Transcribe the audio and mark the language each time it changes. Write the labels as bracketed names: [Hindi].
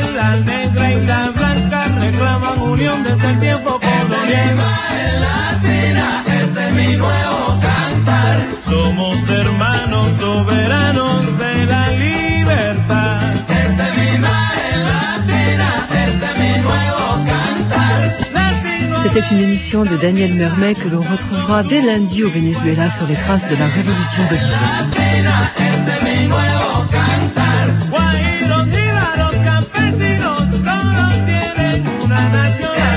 [Spanish] Desde el tiempo colonial, latina, este es mi nuevo cantar. Somos hermanos soberanos de la libertad. Este es mi latina, este es mi nuevo cantar. [French] C'était une émission de Daniel Mermet que l'on retrouvera dès lundi au Venezuela sur les traces de la révolution bolivienne. [Spanish] Latina, este es mi nuevo cantar. Guajiros, jíbaros, campesinos, solo tienen una nación.